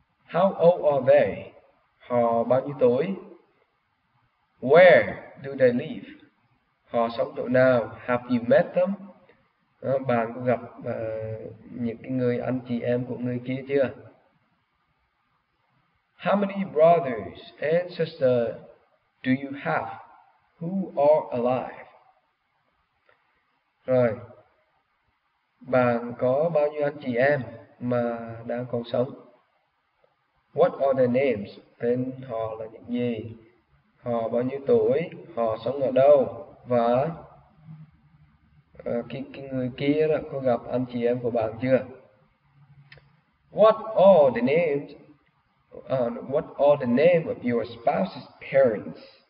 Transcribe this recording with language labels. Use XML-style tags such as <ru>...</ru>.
<en>How old are they?</en> <vi>Họ bao nhiêu tuổi?</vi> <en>Where do they live?</en> <vi>Họ sống chỗ nào?</vi> <en>Have you met them?</en> <vi>Đó, bạn có gặp những cái người anh chị em của người kia chưa?</vi> <en>How many brothers and sisters do you have who are alive?</en> <vi>Rồi, bạn có bao nhiêu anh chị em mà đang còn sống?</vi> <en>What are their names?</en> <vi>Tên họ là những gì? Họ bao nhiêu tuổi? Họ sống ở đâu? Và cái người kia đó có gặp anh chị em của bạn chưa?</vi> <en>What are the names? What are the name of your spouse's parents?</en>